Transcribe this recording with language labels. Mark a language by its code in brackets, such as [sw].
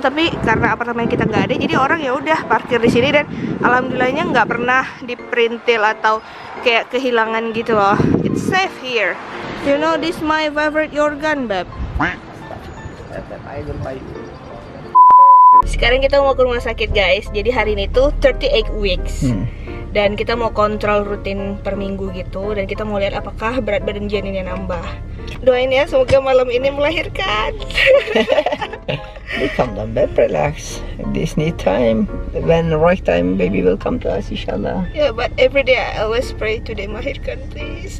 [id] Tapi karena apartemen kita nggak ada, jadi orang ya udah parkir di sini dan alhamdulillahnya nggak pernah diperintil atau kayak kehilangan gitu loh. [en] It's safe here. You know this is my favorite organ, babe. [id] Sekarang kita mau ke rumah sakit guys, jadi hari ini tuh 38 weeks dan kita mau kontrol rutin per minggu gitu dan kita mau lihat apakah berat badan janinnya nambah. Doain ya, semoga malam ini melahirkan. [en] We calm down, babe, relax. This need time, when right time baby will come to us, inshallah. Yeah, but every day I always pray today melahirkan, please.